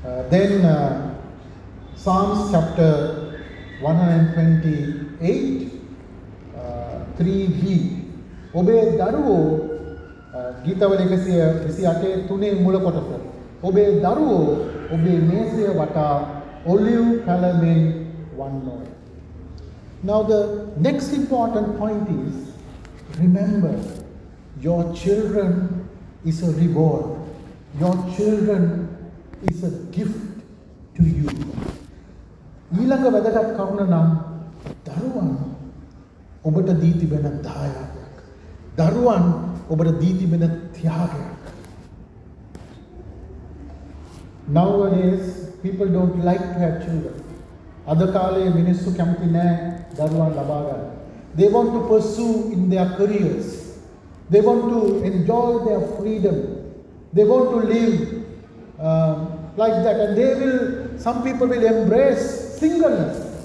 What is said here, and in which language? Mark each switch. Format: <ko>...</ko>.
<en>Then Psalms chapter 128 3b.</en> <si>ඔබේ දරුවෝ ගීතවල 128 තුනේ මුල කොටස. ඔබේ දරුවෝ ඔබේ මේසය වටා olive පැලමින් වන්නෝය.</si> <en>Now the next important point is, remember, your children is a reward. Your children is a gift to you.</en> <si>ඊළඟ වැදගත් කරුණ නම් දරුවන් ඔබට දී තිබෙන දායාදයක්. දරුවන් ඔබට දී තිබෙන ත්‍යාගයක්.</si> <en>Nowadays people don't like to have children.</en> <si>Adakale minissu kemathi nae daruwan laba ganna.</si> <en>They want to pursue in their careers. They want to enjoy their freedom. They want to live like that. And they will, some people will embrace singleness.</en>